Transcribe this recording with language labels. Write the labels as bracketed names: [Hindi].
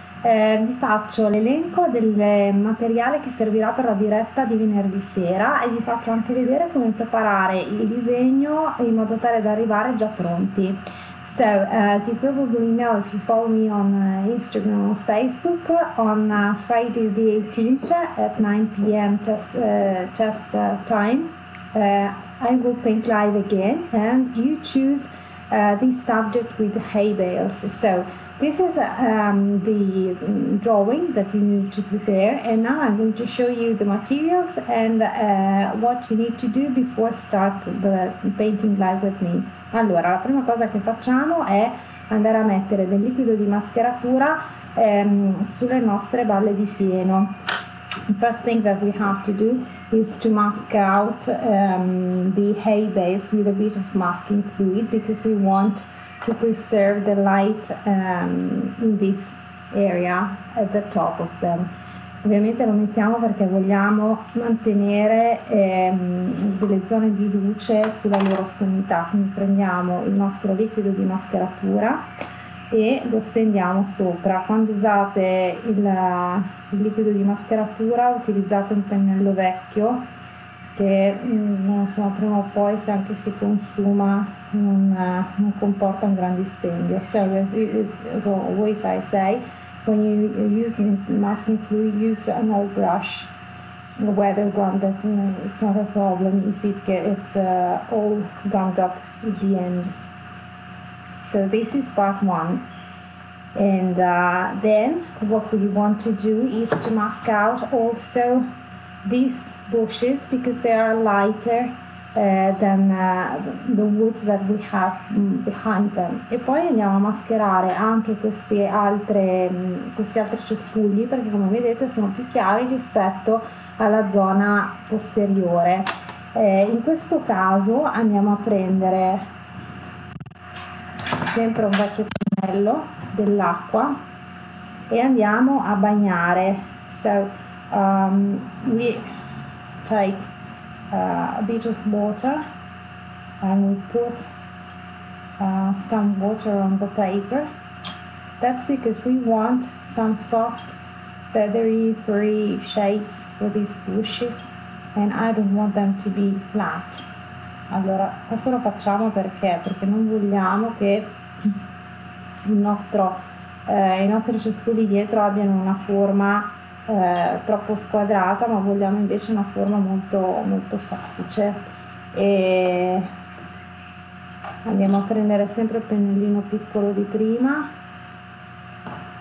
[Italian] Vi faccio l'elenco del materiale che servirà per la diretta di venerdì sera e vi faccio anche vedere come preparare il disegno in modo tale da arrivare già pronti. [English] So, as you probably know, if you follow me on Instagram or Facebook, on Friday the 18th at 9 p.m. Test time, I will paint live again and you choose this subject with hay bales. So this is the drawing that you need to prepare, and now I'm going to show you the materials and what you need to do before start the painting live with me. [Italian] Allora, la prima cosa che facciamo è andare a mettere del liquido di mascheratura sulle nostre balle di fieno. [English] The first thing that we have to do is to mask out the hay bales with a bit of masking fluid because we want to preserve the light in this area at the top of them. [Italian] Ovviamente lo mettiamo perché vogliamo mantenere delle zone di luce sulla loro sommità. Quindi prendiamo il nostro liquido di mascheratura e lo stendiamo sopra. Quando usate il liquido di mascheratura, utilizzate un pennello vecchio che non so, prima o poi, se anche si consuma, non comporta un grande dispendio. [English] So, as always I say, when you use masking fluid, use an old brush, a weathered one, that it's not a problem if it's all gummed up at the end. So this is part one. And then what we want to do is to mask out also these bushes because they are lighter than the woods that we have behind them. [Italian] E poi andiamo a mascherare anche questi altri cespugli, perché come vedete sono più chiari rispetto alla zona posteriore. In questo caso andiamo a prendere sempre un vecchio pennello dell'acqua e andiamo a bagnare. [English] So we take a bit of water and we put some water on the paper. That's because we want some soft, feathery, furry shapes for these bushes and I don't want them to be flat. [Italian] Allora, questo lo facciamo perché non vogliamo che i nostri cespugli dietro abbiano una forma troppo squadrata, ma vogliamo invece una forma molto, molto soffice. E andiamo a prendere sempre il pennellino piccolo di prima. Ok.